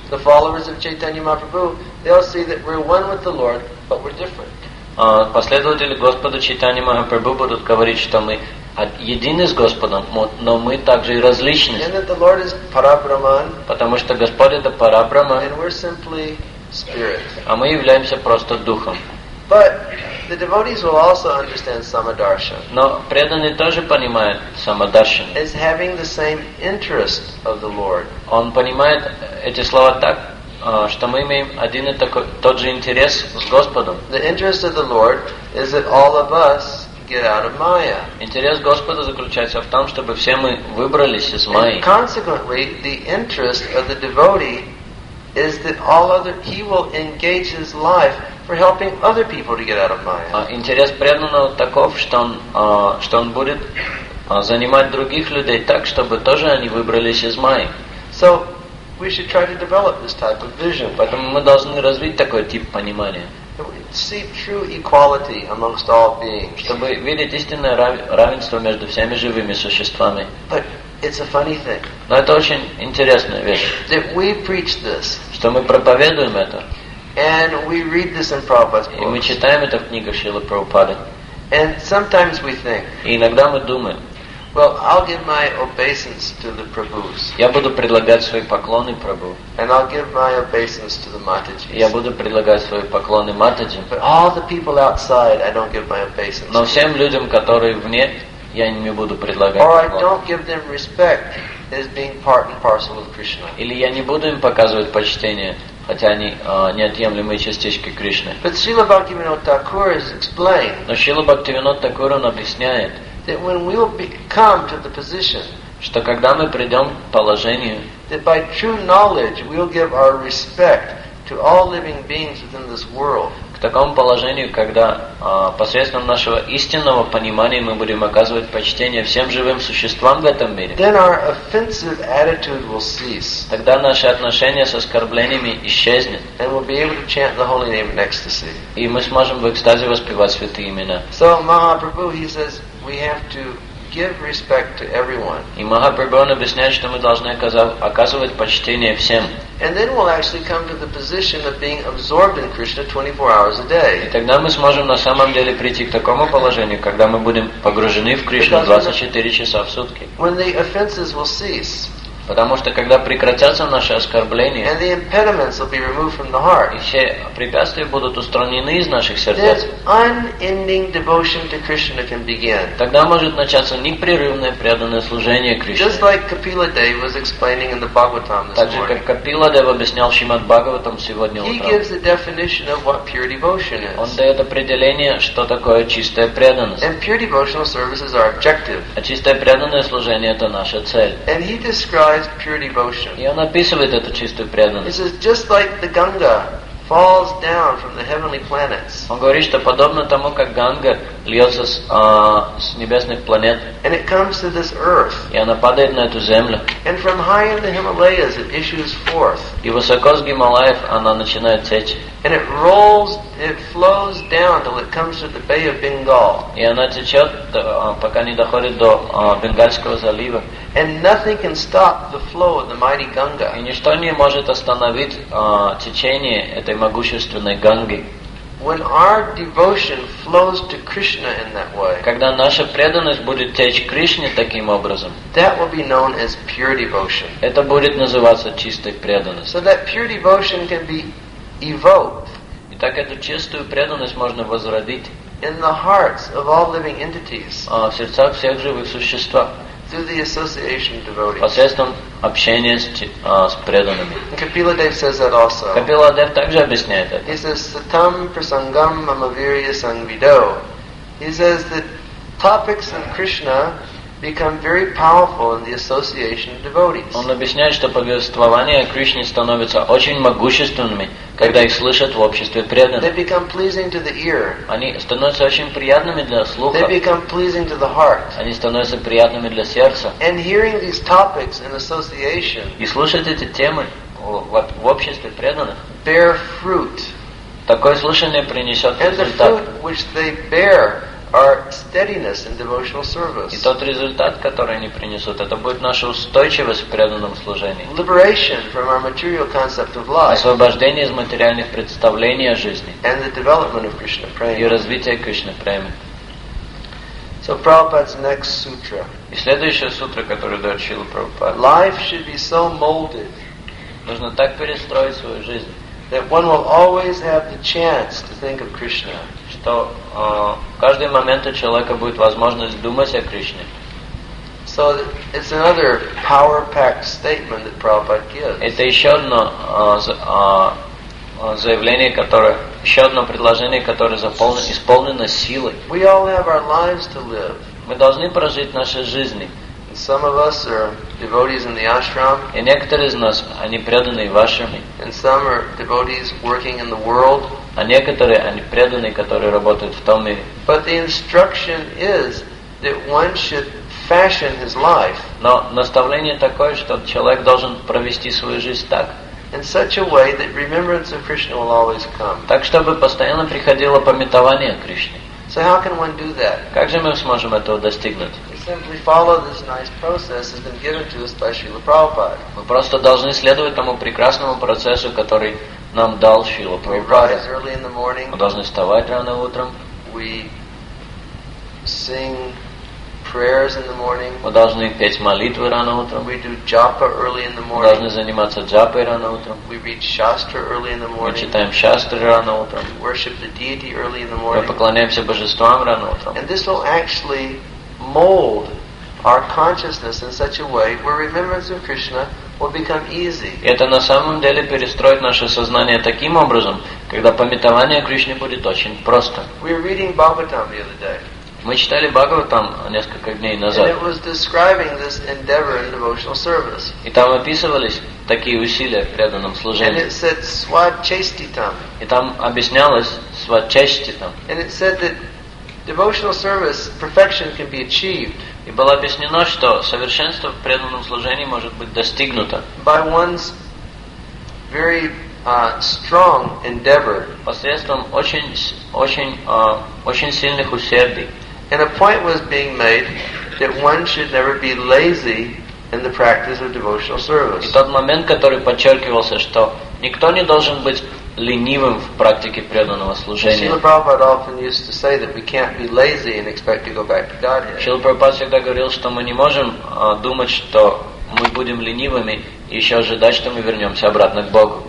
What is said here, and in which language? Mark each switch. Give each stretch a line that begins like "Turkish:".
English: The followers of Chaitanya Mahaprabhu, they all see that we're one with the Lord, but we're different.
Russian: Последователи Господа Чайтаньи Махапрабху будут говорить, что мы едины с Господом, но мы также и различны.
English: And that the Lord is Parabrahman,
Russian: потому что Господь это Парабрахман,
English: and we're simply spirit.
Russian: А мы являемся просто Духом.
English: But the devotees will also understand Samadarshan.
Russian: Но преданный тоже понимает Самадаршан.
English: As having the same interest of the Lord.
Russian: Он понимает эти слова так, что мы имеем один и тот же интерес с Господом.
English: The interest of the Lord is that all of us get out of Maya.
Russian: Интерес Господа заключается в том, чтобы все мы выбрались из Майи.
English: And consequently, the interest of the devotee is that all other he will engage his life for helping other people to get out of Maya.
Russian: Интерес преданного таков, что он будет занимать других людей так, чтобы тоже они выбрались из Майи.
English: So we should try to develop this type of vision.
Russian: Поэтому мы должны развить такой тип понимания.
English: See true equality amongst all beings.
Russian: Чтобы видеть истинное равенство между всеми живыми существами.
English: But it's a funny thing.
Russian: Но это очень интересная вещь.
English: That we preach this.
Russian: Что мы проповедуем это.
English: And we read this in Prabhupada's books.
Russian: И мы читаем это в книгах Шрилы Прабхупады.
English: And sometimes we think.
Russian: И иногда мы думаем.
English: Well, I'll give my obeisance to the Prabhus.
Russian: Я буду предлагать свои поклоны Прабху.
English: And I'll give my obeisance to the Matajis.
Russian: Я буду предлагать свои поклоны Матаджи.
English: But all the people outside, I don't give my obeisance.
Russian: Но всем людям, которые вне, я не буду предлагать.
English: Or I don't give them respect as being part and parcel of Krishna.
Russian: Или я не буду им показывать почтение, хотя они неотъемлемые частички Кришны.
English: But Srila Bhaktivinoda Thakur has explained.
Russian: Но Шрила Бхактивинода Такур объясняет.
English: That when we will come to the position,
Russian: что когда мы придем к положению,
English: that by true knowledge we will give our respect to all living beings within this world.
Russian: К такому положению, когда посредством нашего истинного понимания мы будем оказывать почтение всем живым существам в этом мире.
English: Then our offensive attitude will cease.
Russian: Тогда наши отношения с оскорблениями исчезнут.
English: And we'll be able to chant the holy name in ecstasy.
Russian: И мы сможем в экстазе воспевать святые имена.
English: So Mahaprabhu, he says. We have to give respect to everyone.
Russian: И Махапрабху объясняет, что мы должны оказывать почтение всем.
English: And then we'll actually come to the position of being absorbed in Krishna 24 hours a day.
Russian: И тогда мы сможем на самом деле прийти к такому положению, когда мы будем погружены в Кришну 24 часа в сутки.
English: When the offenses will cease.
Russian: Потому что когда прекратятся наши оскорбления,
English: and the impediments will be removed from the heart,
Russian: и все препятствия будут устранены из наших сердец,
English: then unending devotion to Krishna can begin.
Russian: Тогда может начаться непрерывное преданное служение Кришне.
English: Just like Kapila Dev was explaining in the Bhagavatam this morning.
Russian: Так же, как Капила Дев объяснял Шримад Бхагаватам сегодня утром.
English: He gives the definition of what pure devotion is.
Russian: Он дает определение, что такое чистая преданность.
English: And pure devotional service is our objective.
Russian: А чистое преданное служение это наша цель.
English: And he describes pure devotion.
Russian: И он описывает эту чистую преданность.
English: He says, just like the Ganga falls down from the heavenly planets.
Russian: Он говорит, что подобно тому, как Ганга льется с небесных планет.
English: And it comes to this earth.
Russian: И она падает на эту землю.
English: And from high in the Himalayas it issues forth.
Russian: И высоко с Гималаев она начинает течь.
English: And it rolls, it flows down till it comes to the Bay of Bengal.
Russian: И она течет, пока не доходит до Бенгальского залива.
English: And nothing can stop the flow of the mighty Ganga.
Russian: И ничто не может остановить течение этой могущественной Ганги.
English: When our devotion flows to Krishna in that way,
Russian: когда наша преданность будет течь Кришне таким образом,
English: that will be known as pure devotion.
Russian: Это будет называться чистой преданностью.
English: So that pure devotion can be evoked.
Russian: И так эту чистую преданность можно возродить
English: in the hearts of all living entities.
Russian: В сердцах всех живых существ.
English: Through the association of devotees.
Russian: Посредством общения с преданными.
English: Kapila Dev says that also.
Russian: Kapila Dev также объясняет это.
English: He says,
Sanskrit: Satam prasangam mamavirya sangvido.
English: He says that topics of Krishna become very powerful in the association of devotees.
Russian: Он объясняет, что повествования о Кришне становятся очень могущественными, когда их слышат в обществе преданных.
English: They become pleasing to the ear.
Russian: Они становятся очень приятными для слуха.
English: They become pleasing to the heart.
Russian: Они становятся приятными для сердца.
English: And hearing these topics in association.
Russian: И слушать эти темы в обществе преданных.
English: Bear fruit.
Russian: Такое слушание принесет результат.
English: And the fruit which they bear. Our steadiness in devotional service.
Russian: И тот результат, который они принесут, это будет наша устойчивость в преданном служении.
English: Liberation from our material concept of life.
Russian: Освобождение из материальных представлений о жизни.
English: And the development of Krishna prema.
Russian: И развитие Кришны премы.
English: So Prabhupada's next sutra.
Russian: И следующая сутра, которую дает Шрила Прабхупада.
English: Life should be so molded.
Russian: Нужно так перестроить свою жизнь.
English: That one will always have the chance to think of Krishna.
Russian: Что в каждый момент у человека будет возможность думать о Кришне.
English: So it's another power-packed statement that Prabhupada gives.
Russian: Это еще одно заявление, которое еще одно предложение, которое исполнено силой.
English: We all have our lives to live.
Russian: Мы должны прожить наши жизни.
English: Some of us are devotees in the ashram.
Russian: И некоторые из нас, они преданные в ашраме.
English: And some are devotees working in the world.
Russian: А некоторые, они преданные, которые работают в том мире.
English: But the instruction is that one should fashion his life.
Russian: Но наставление такое, что человек должен провести свою жизнь так.
English: In such a way that remembrance of Krishna will always come.
Russian: Так, чтобы постоянно приходило памятование о Кришне.
English: So how can one do that?
Russian: Как же мы сможем этого достигнуть?
English: Simply follow this nice process has been given to us by Srila Prabhupada.
Russian: Мы просто должны следовать тому прекрасному процессу, который нам дал Шрила Прабхупада.
English: We early in the morning.
Russian: Мы должны вставать рано утром.
English: We sing prayers in the morning.
Russian: Мы должны петь молитвы рано утром.
English: We do japa early in the morning.
Russian: Мы должны заниматься джапой рано утром.
English: We read shastra early in the morning.
Russian: Мы читаем шастры рано утром.
English: We worship the deity early in the morning.
Russian: Мы поклоняемся божествам рано утром.
English: And this will actually mold our consciousness in such a way where remembrance of Krishna will become easy.
Russian: Это на самом деле перестроит наше сознание таким образом, когда памятование о Кришне будет очень просто.
English: We were reading Bhagavatam the other day.
Russian: Мы читали Бхагаватам несколько дней назад.
English: And it was describing this endeavor in devotional service.
Russian: И там описывались такие усилия в преданном служении.
English: And it said свачеститам.
Russian: И там объяснялось свачеститам.
English: And it said that devotional service perfection can be achieved.
Russian: И было объяснено, что совершенство в преданном служении может быть достигнуто.
English: By one's very strong endeavor.
Russian: Посредством очень сильных усердий.
English: And a point was being made that one should never be lazy in the practice of devotional service.
Russian: И тот момент, который подчеркивался, что никто не должен быть ленивым в практике преданного служения.
English: Шрила Прабхупада often used to say that we can't be lazy and expect to go back to Godhead.
Russian: Шрила Прабхупада всегда говорил, что мы не можем думать, что мы будем ленивыми и еще ожидать, что мы вернемся обратно к Богу.